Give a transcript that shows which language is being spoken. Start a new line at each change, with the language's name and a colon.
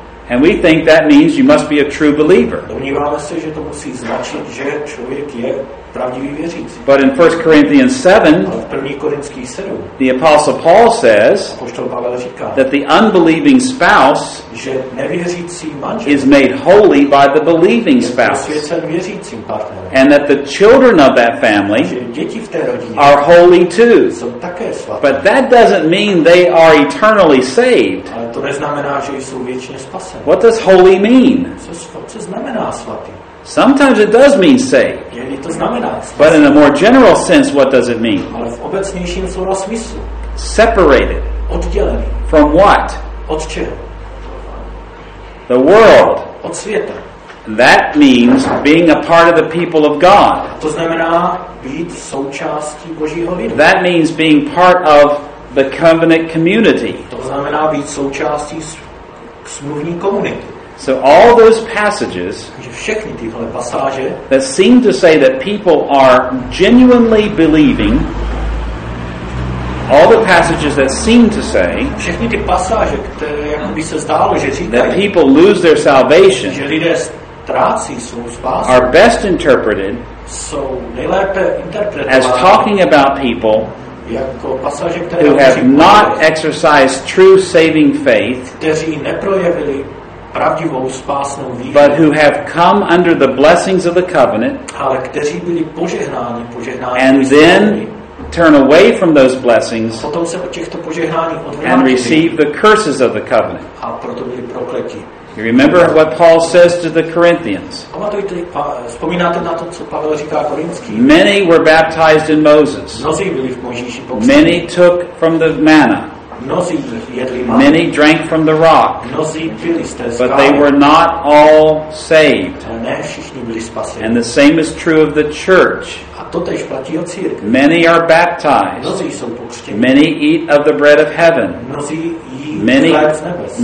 English: And we think that means you must be a true believer.
Czech: Domníváme se, že to musí značit, že člověk je pravdivý věřící.
English: But in 1 Corinthians 7,
Czech: v 1. Korinských 7,
English: the Apostle Paul says,
Czech: apoštol Pavel říká,
English: that the unbelieving spouse,
Czech: že nevěřící manžel,
English: is made holy by the believing spouse.
Czech: Je posvěcen věřícím partnerem.
English: And that the children of that family,
Czech: že děti v té rodině,
English: are holy too.
Czech: Jsou také svaté.
English: But that doesn't mean they are eternally saved.
Czech: Ale to neznamená, že jsou věčně spaseni.
English: What does holy mean?
Czech: Co znamená svatý?
English: Sometimes it does mean saved.
Czech: To znamená,
English: but in a more general sense, what does it mean?
Czech: Ale v obecnějším slova smyslu.
English: Separated.
Czech: Oddělený.
English: From what?
Czech: Od čeho?
English: The world.
Czech: Od světa.
English: That means being a part of the people of God.
Czech: To znamená být součástí Božího lidu.
English: That means being part of the covenant community.
Czech: To znamená být součástí smluvní komunity.
English: So all those passages
Czech: všechny tyhle pasáže,
English: that seem to say that people are genuinely believing, all the passages that seem to say
Czech: všechny ty pasáže, které jakoby se zdálo, že říkají,
English: that people lose their salvation,
Czech: že lidé ztrácí svou spásu,
English: are best interpreted,
Czech: jsou nejlépe interpretovány,
English: as talking about people
Czech: jako pasáže, které
English: who have not exercised true saving faith,
Czech: kteří neprojevili pravdivou spásnou víru,
English: but who have come under the blessings of the covenant,
Czech: ale kteří byli požehnáni, požehnáni
English: and then turn away from those blessings,
Czech: a potom se od těchto požehnání odvrátili,
English: and receive the curses of the covenant.
Czech: A proto byli prokletí.
English: You remember what Paul says to the Corinthians?
Czech: Vzpomínáte na to, co Pavel říká Korinským?
English: Many were baptized in Moses.
Czech: Mnozí byli v Mojžíši pokřtěni.
English: Many took from the manna. Many drank from the rock, but they were not all saved. And the same is true of the church. Many are baptized. Many eat of the bread of heaven.